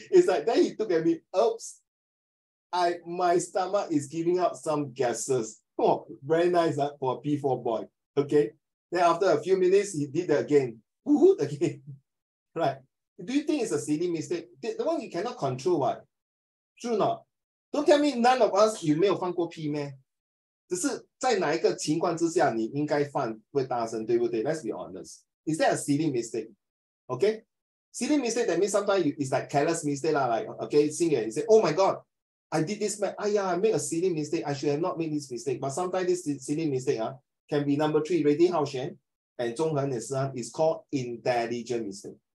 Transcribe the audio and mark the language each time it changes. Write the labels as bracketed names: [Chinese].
[English] It's like, then he took at me, oops, my stomach is giving out some gases. Oh, very nice for a P4 boy, okay? Then after a few minutes, he did it again. Woohoo, again, right? Do you think it's a silly mistake? The one you cannot control, what? True or not? Don't tell me none of us, you [Chinese] 没有放过 [English] P, man. [Chinese] 只是在哪一个情况之下你应该放会大声，对不对? [English] Let's be honest. Is that a silly mistake? Okay? Silly mistake, that means sometimes it's like careless mistake, like, okay, singer, you say, oh my God, I did this, I made a silly mistake. I should have not made this mistake. But sometimes this silly mistake can be number three, Ready Hao Xian and Zhong Heng and Sun, is called intelligent mistake.